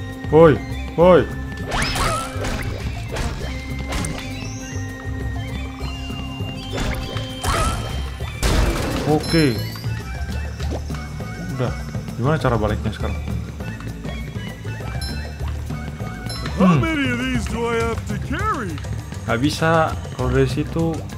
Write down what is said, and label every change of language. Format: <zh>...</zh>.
<id>Woi, woi. Oke. Udah, gimana cara baliknya sekarang?</id> <en>How many of these do I have to carry?</en> <id>Gak bisa kalau dari situ.</id>